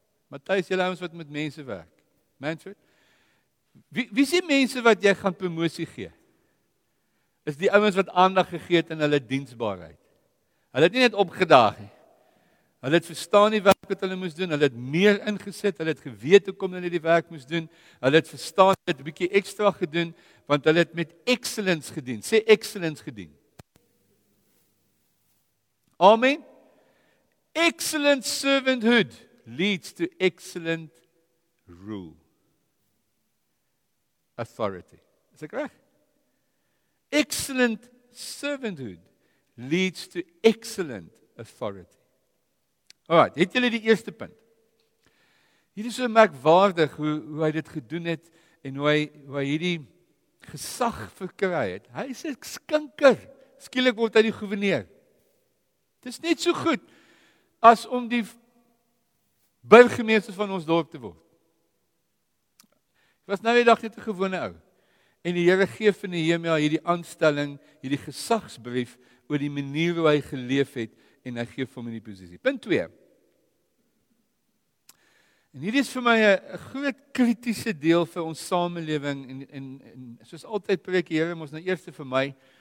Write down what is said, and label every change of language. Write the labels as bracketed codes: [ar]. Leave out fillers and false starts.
[af] Matthijs, julle ons wat met mense werk. Manfred? Wie is die mense wat jy gaan promosie gee? Is die ouwens wat aandag gegee het in hulle diensbaarheid. Hulle het nie net opgedaag. Hulle het verstaan die werk wat hulle moes doen, hulle het meer ingesit, hulle het geweet hoe kom hulle die werk moes doen, hulle het verstaan, hulle het 'n bietjie ekstra gedoen, want hulle het met excellence gedien. Sê excellence gedien. [en] Amen. Excellent servanthood leads to excellent rule. Authority. [af] Is ek reg? [en] Excellent servanthood leads to excellent authority. [af] Alright, het julle die eerste punt? Hier is so merkwaardig hoe hy dit gedoen het en hoe hy hierdie gesag verkry het. Hy is 'n skinker. Skielik word hy die goewerneur. Het is net so goed as om die burgemeester van ons dorp te word. Ek was nou die dag net 'n gewone ou. En die Here gee vir Nehemia hierdie aanstelling, hierdie gesagsbrief oor die manier hoe hy geleef het en hy gee vir my die posisie. Punt 2. En hier is vir my een groot kritiese deel vir ons samenleving, en soos altyd preek die Here ons nou eerste vir my,